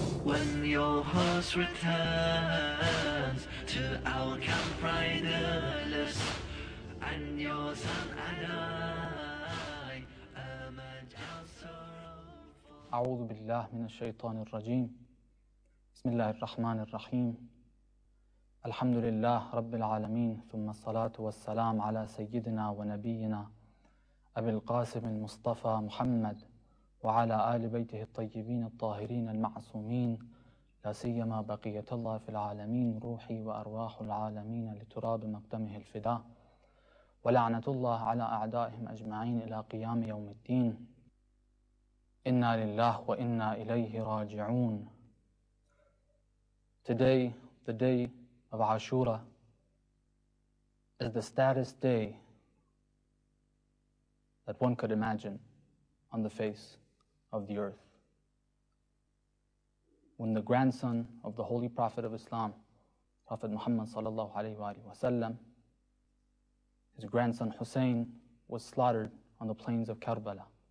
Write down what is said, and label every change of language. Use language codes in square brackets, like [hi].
[en] when your horse returns to our camp riderless, and your son and I emerge our sorrow. [ar] أعوذ بالله من الشيطان الرجيم. بسم الله الرحمن الرحيم. الحمد لله رب العالمين، ثم الصلاة والسلام على سيدنا ونبينا أبي القاسم المصطفى محمد وعلى آل بيته الطيبين الطاهرين المعصومين، لا سيما بقية الله في العالمين، روحي وأرواح العالمين لتراب مقدمه الفداء، ولعنة الله على أعدائهم أجمعين إلى قيام يوم الدين. إنا لله وإنا إليه راجعون. [en] Today, the day of Ashura, is the saddest day that one could imagine on the face of the earth. When the grandson of the Holy Prophet of Islam, Prophet Muhammad sallallahu alaihi wasallam, his grandson Hussein, was slaughtered on the plains of Karbala.